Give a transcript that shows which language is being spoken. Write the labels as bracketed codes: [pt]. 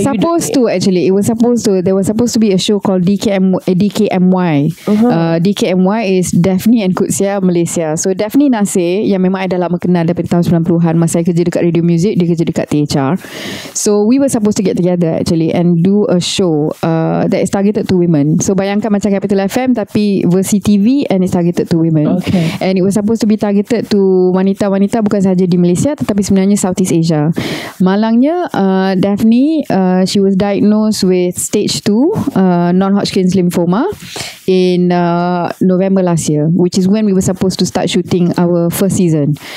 [en] There was supposed to be a show called DKMY. DKMY is Daphne and Kutsia Malaysia. [ms] So Daphne Nasir yang memang ada lama kenal dari tahun 90-an, masa saya kerja dekat Radio Music, dia kerja dekat THR. [en] So we were supposed to get together actually and do a show that is targeted to women. [ms] So bayangkan macam Capital FM tapi versi TV [en] and it's targeted to women. Okay. And it was supposed to be targeted to [ms] wanita-wanita bukan sahaja di Malaysia tetapi sebenarnya [en] Southeast Asia. Malangnya Daphne, she was diagnosed with stage 2 non-Hodgkin's lymphoma in November last year, which is when we were supposed to start shooting our first season.